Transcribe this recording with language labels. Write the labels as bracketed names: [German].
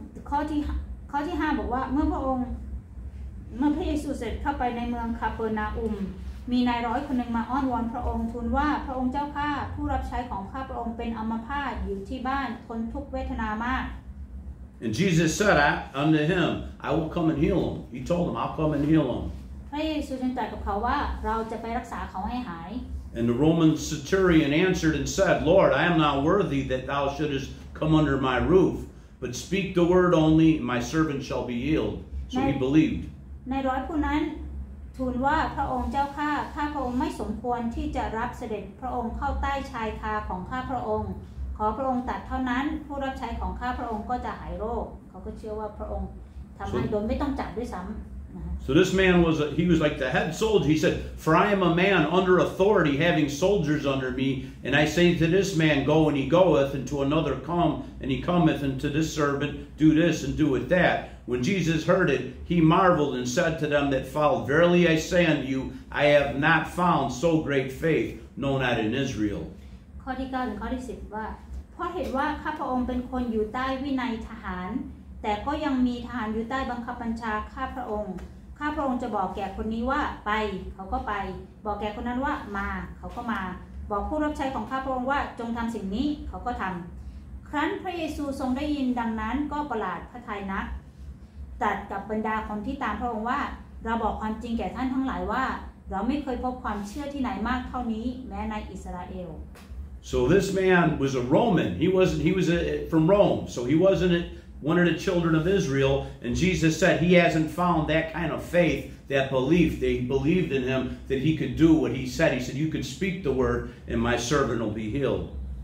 [Thai] ข้อที่ 5 บอกว่าเมื่อพระเยซูเสด็จเข้าไปในเมืองคาเปอร์นาอุมมีนายร้อยคนหนึ่งมาอ้อนวอนพระองค์ทูลว่าพระองค์เจ้าข้าผู้รับใช้ของข้าพระองค์เป็นอัมพาตอยู่ที่บ้านทนทุกเวทนามาก [English] And Jesus said unto him, I will come and heal him. He told him, I'll come and heal him. [Thai] พระเยซูจึงตรัสกับเขาว่าเราจะไปรักษาเขาให้หาย [English] And the Roman centurion answered and said, Lord, I am not worthy that thou shouldestcome under my roof, but speak the word only, and my servant shall be healed. So he believed. [Thai] ในร้อยผู้นั้นทูลว่าพระองค์เจ้าข้าข้าพระองค์ไม่สมควรที่จะรับเสด็จพระองค์เข้าใต้ชายคาของข้าพระองค์ขอพระองค์ตัดเท่านั้นผู้รับใช้ของข้าพระองค์ก็จะหายโรคเขาก็เชื่อว่าพระองค์ทำให้โดยไม่ต้องจับด้วยซ้ำ [English] So this man was, he was like the head soldier. He said, for I am a man under authority, having soldiers under me. And I say to this man, go, and he goeth, and to another, come, and he cometh, and to this servant, do this and do it that. When Jesus heard it, he marveled and said to them that followed, verily I say unto you, I have not found so great faith, no, not in Israel. [Thai] ข้อที่9ข้อที่10ว่าเพราะเหตุว่าข้าพระองค์เป็นคนอยู่ใต้วินัยทหารแต่ก็ยังมีทหารอยู่ใต้บังคับบัญชาข้าพระองค์ข้าพระองค์จะบอกแก่คนนี้ว่าไปเขาก็ไปบอกแก่คนนั้นว่ามาเขาก็มาบอกผู้รับใช้ของข้าพระองค์ว่าจงทำสิ่งนี้เขาก็ทำครั้นพระเยซูทรงได้ยินดังนั้นก็ประหลาดพระทัยนักตรัสกับบรรดาคนที่ตามพระองค์ว่าเราบอกความจริงแก่ท่านทั้งหลายว่าเราไม่เคยพบความเชื่อที่ไหนมากเท่านี้แม้ในอิสราเอล [English] So this man was a Roman. He was from Rome. So he wasn't one of the children of Israel. And Jesus said he hasn't found that kind of faith, that belief. They believed in him that he could do what he said. He said, you could speak the word and my servant will be healed.